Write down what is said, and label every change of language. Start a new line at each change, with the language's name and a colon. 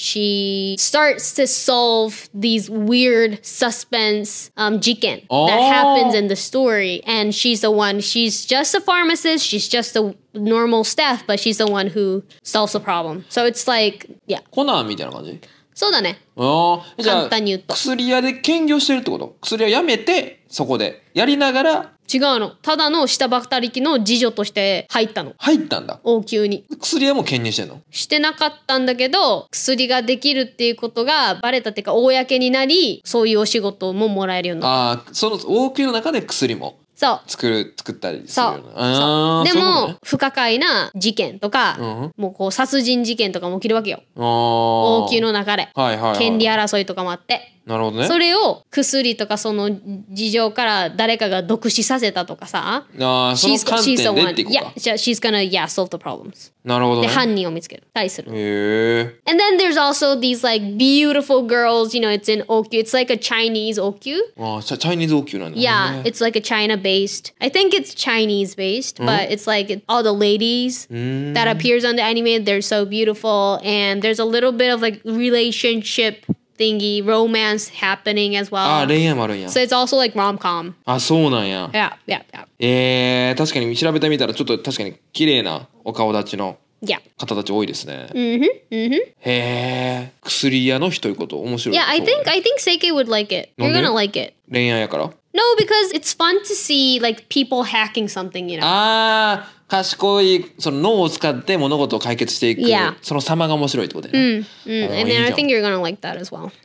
English: She starts to solve these weird suspense jiken that happens in the story. And she's the one, she's just a pharmacist, she's just a normal staff, but she's the one who solves the problem. So it's like, yeah.
Japanese: Conan みたいな感じ? そうだね。簡単に言うと薬屋で兼業してるってこと。薬屋やめてそこでやりながら。違うの、ただの下働きの次女として入ったの。入ったんだ。おう、急に。薬屋も兼任してんの？してなかったんだけど、薬ができるっていうことがバレたっていうか公になり、そういうお仕事ももらえるようになった。ああ、その OQ の中で薬も作ったりするような。そう。でも、不可解な事件とか、うん、もうこう殺人事件とかも起きるわけよ。王宮の流れ、はいはいはい、権利争いとかもあって。なるほどね。それを薬とかその事情から誰かが毒死させたとかさ。ああ、その観点でっていくか。
English: Yeah, she's gonna solve the problems.
Japanese: なるほどね。で、犯人を見つける。対する。へえ。
English: And then there's also these like beautiful girls, you know, it's in OQ. It's like a Chinese OQ.
Japanese: ああ、Chinese OQ なんだ、ね。
English: Yeah, it's like a China based. I think it's Chinese based, but it's like all the ladies that appears on the anime, they're so beautiful. And there's a little bit of like relationship. Thingy, romance happening as well.
Japanese: ああ、恋愛もあるんや。
English: So it's also like rom-com.
Japanese: あ、そうなんや。
English: Yeah, yeah, yeah.
Japanese: 確かに調べてみたらちょっと確かに綺麗なお顔立ちの方たち多いですね。
English: Mm-hmm, mm-hmm.
Japanese: 薬屋の人ということ面白い。
English: Yeah, I think Seike would like it. You're gonna like it.
Japanese: 恋愛やから？
English: No, because it's fun to see like people hacking something, you know.
Japanese: ああ。賢いその脳を使って物事を解決していく、
English: yeah.
Japanese: その様が面白いってことだよね。うん。
English: And then I think you're gonna like that as well.